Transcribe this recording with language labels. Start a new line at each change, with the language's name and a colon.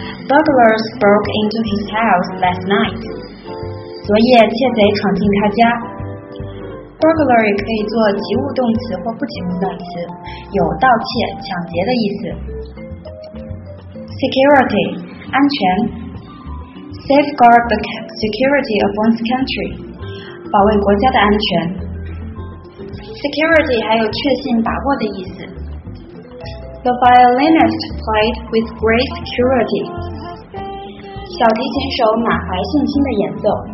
English: Burglars broke into his house last night.
Chinese: 昨夜窃贼闯进他家。 Burglar 也可以做及物动词或不及物动词，有盗窃、抢劫的意思。 Security 安全。
English: Safeguard the security of one's country.
Chinese: 保卫国家的安全。 Security 还有确信把握的意思。
English: The violinist played with great security.
Chinese: 小提琴手满怀信心的演奏。